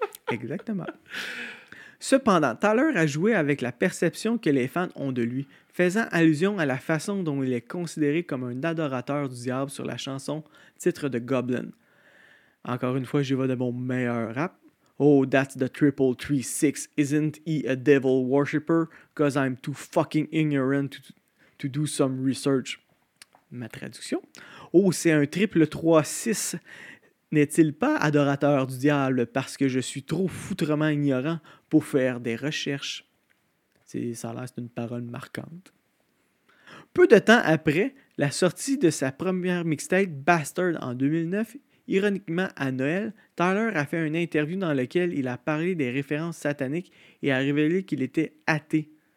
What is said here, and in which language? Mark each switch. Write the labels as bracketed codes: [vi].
[fr] Exactement. Cependant, Tyler a joué avec la perception que les fans ont de lui, faisant allusion à la façon dont il est considéré comme un adorateur du diable sur la chanson titre de Goblin. Encore une fois, j'y vais de mon meilleur rap. [en] Oh, that's the 3-6. Isn't he a devil worshipper? Cause I'm too fucking ignorant to do some research. [fr] Ma traduction. Oh, c'est un 3-6. N'est-il pas adorateur du diable parce que je suis trop foutrement ignorant pour faire des recherches? Ça a l'air d'une parole marquante. Peu de temps après la sortie de sa première mixtape, Bastard, en 2009, ironiquement, à Noël, Tyler a fait une interview dans laquelle il a parlé des références sataniques et a révélé qu'il était athée.